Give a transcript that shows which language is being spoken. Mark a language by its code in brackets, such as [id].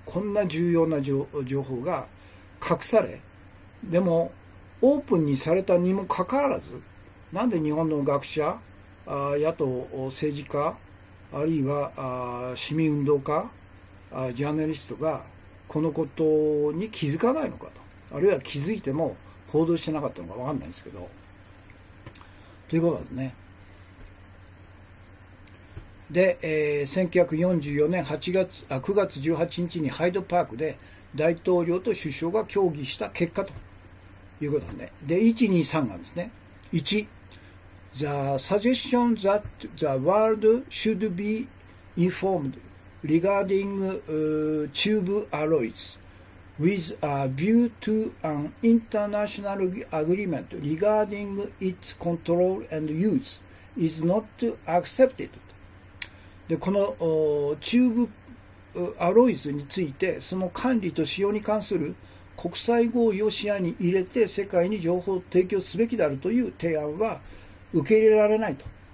[ja] こんな重要な情報が隠され、でもオープンにされたにもかかわらず、なんで日本の学者、野党政治家あるいは市民運動家、ジャーナリストがこのことに気づかないのかと、あるいは気づいても報道してなかったのか分かんないんですけど、ということなんですね。で、1944年8月、9月18日にハイドパークで大統領と首相が協議した結果ということですね。で、1、2、3なんですね。 [en] 1、The suggestion that the world should be informed regarding tube alloys with a view to an international agreement regarding its control and use is not accepted。 [ja] で、このチューブアロイズについて、その管理と使用に関する国際合意を視野に入れて世界に情報を提供すべきであるという提案は受け入れられないと。